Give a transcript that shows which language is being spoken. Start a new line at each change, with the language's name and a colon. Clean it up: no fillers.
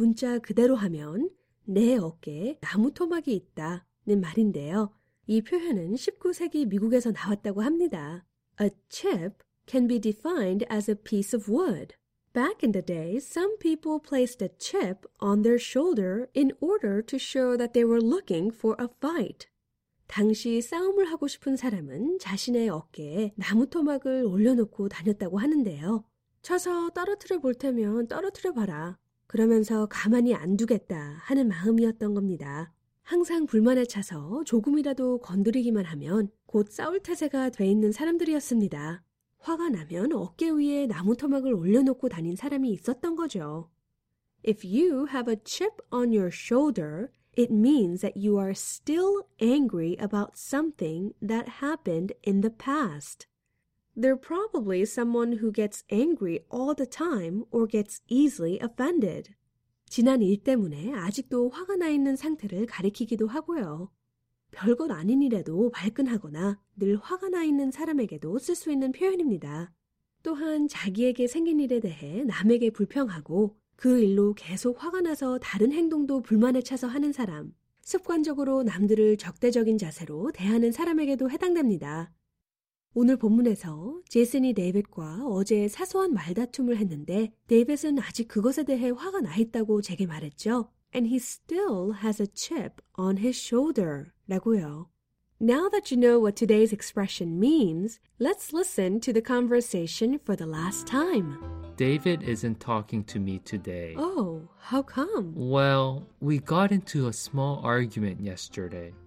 Korean: 문자 그대로 하면 내 어깨에 나무토막이 있다는 말인데요. 이 표현은 19세기 미국에서 나왔다고 합니다.
English: A chip can be defined as a piece of wood. Back in the day, some people placed a chip on their shoulder in order to show that they were looking for a fight.
Korean: 당시 싸움을 하고 싶은 사람은 자신의 어깨에 나무토막을 올려놓고 다녔다고 하는데요. 쳐서 떨어뜨려 볼 테면 떨어뜨려 봐라. 그러면서 가만히 안 두겠다 하는 마음이었던 겁니다. 항상 불만에 차서 조금이라도 건드리기만 하면 곧 싸울 태세가 돼 있는 사람들이었습니다. 화가 나면 어깨 위에 나무토막을 올려놓고 다닌 사람이 있었던 거죠.
English: If you have a chip on your shoulder, it means that you are still angry about something that happened in the past. They're probably someone who gets angry all the time or gets easily offended.
Korean: 지난 일 때문에 아직도 화가 나 있는 상태를 가리키기도 하고요. 별것 아닌 일에도 발끈하거나 늘 화가 나 있는 사람에게도 쓸 수 있는 표현입니다. 또한 자기에게 생긴 일에 대해 남에게 불평하고 그 일로 계속 화가 나서 다른 행동도 불만에 차서 하는 사람, 습관적으로 남들을 적대적인 자세로 대하는 사람에게도 해당됩니다. 오늘 본문에서 제슨이 데이빗과 어제 사소한 말다툼을 했는데 데이빗은 아직 그것에 대해 화가 나 있다고 제게 말했죠.
English: And he still has a chip on his shoulder.
Korean: 라고요.
English: Now that you know what today's expression means, let's listen to the conversation for the last time. David isn't talking to me today. Oh, how come? Well, we got into a small argument yesterday.